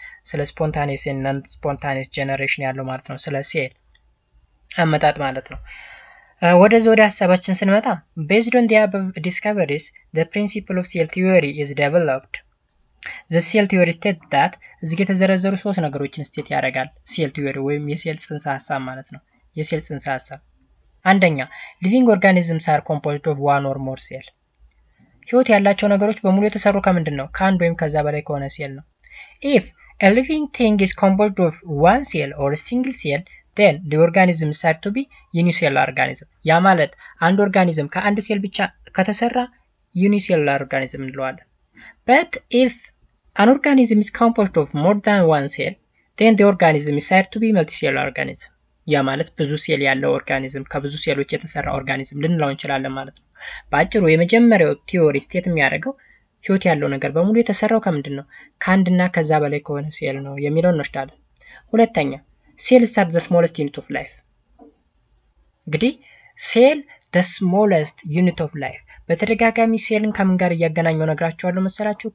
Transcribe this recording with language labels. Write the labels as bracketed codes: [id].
[am] ስለ spontaneous and non-spontaneous generation ያለው ማለት ነው። ስለ ሴል አመጣጥ ማለት ነው። ወደዚህ ወደ ሐሳባችን ስንመጣ [en] based on the above discoveries the principle of cell theory is developed. The cell theory states that [am] እዚህ የተዘረዘሩ ሶስት ነገሮችን ስቴት ያደርጋል። cell theory ወይም የሴል ጽንሰ ሐሳብ ማለት ነው። የሴል ጽንሰ ሐሳብ አንደኛ [en] living organisms are composed of one or more cells. [am] ህይወት ያላቸው ነገሮች በሙሉ የተሰሩ ከምንድነው? ከአንድ ወይም ከዛ በላይ ከሆነ ሴል ነው። [en] If a living thing is composed of one cell or a single cell then the organism is said to be unicellular organism. [am] ያ ማለት አንድ ኦርጋኒዝም ከአንድ ሴል ብቻ ከተሰራ unicellular organism እንለዋለን። [en] But if an organism is composed of more than one cell then the organism is said to be multicellular organism. [am] ያ ማለት ብዙ ሴል ያለው ኦርጋኒዝም ከብዙ ሴሎች የተሰራ ኦርጋኒዝም ልንለው እንችላለን ማለት ነው። ባጭሩ የመጀመሪያው ቲዮሪ ስቴት የሚያደርገው ህይወት ያለው ነገር በሙሉ የተሰራው ከምንድን ነው? ከአንድ እና ከዛ በላይ ከሆነ ሴል ነው የሚለውን እንወስዳለን። ሁለተኛ [en] ሴል ስታር ዘ ስሞለስት ዩኒት ኦፍ ላይፍ። [am] እንግዲህ ሴል [en] ዘ ስሞለስት ዩኒት ኦፍ ላይፍ [am] በተደጋጋሚ ሴልን ከምን ጋር እያገናኘው ነግራችኋለሁ መሰላችሁ?